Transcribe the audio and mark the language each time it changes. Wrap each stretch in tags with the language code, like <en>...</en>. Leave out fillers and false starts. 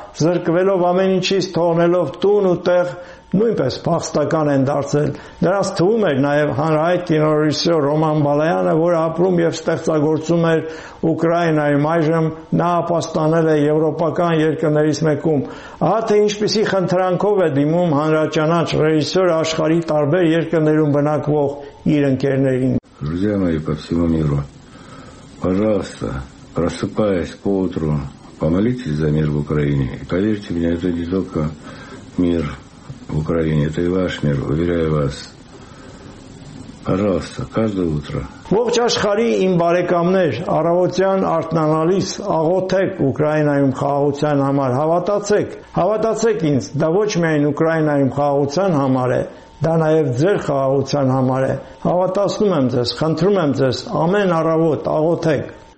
<hy>զրկվելով ամեն ինչից, թողնելով տուն ու տեղ, նույնպես փախստական են դարձել։ Նրանց թվում էր նաև հանրահայտ կինոռեժիսոր Ռոման Բալայանը, որը ապրում և ստեղծագործում էր Ուկրաինայում, այժմ նա ապաստանել է եվրոպական երկրներից մեկում։ Ահա թե ինչպիսի խնդրանքով է դիմում հանրաճանաչ ռեժիսոր աշխարհի տարբեր երկրներում բնակվող իր ընկերներին։</hy> <ru>Друзья мои по всему миру, пожалуйста, просыпаясь по утру, помолитесь за мир в Украине. И поверьте мне, это не только мир в Украине, это и ваш мир, уверяю вас. Пожалуйста, каждое утро.</ru> <hy>Ողջ աշխարհի իմ բարեկամներ, առավոտյան արթնանալիս աղոթեք Ուկրաինայում խաղաղության համար, հավատացեք, հավատացեք ինձ, դա ոչ միայն Ուկրաինայում խաղաղության համար է, դա նաև ձեր խաղաղության համար է, հավատացնում եմ ձեզ, խնդրում եմ ձեզ, ամեն առավոտ աղոթեք։</hy>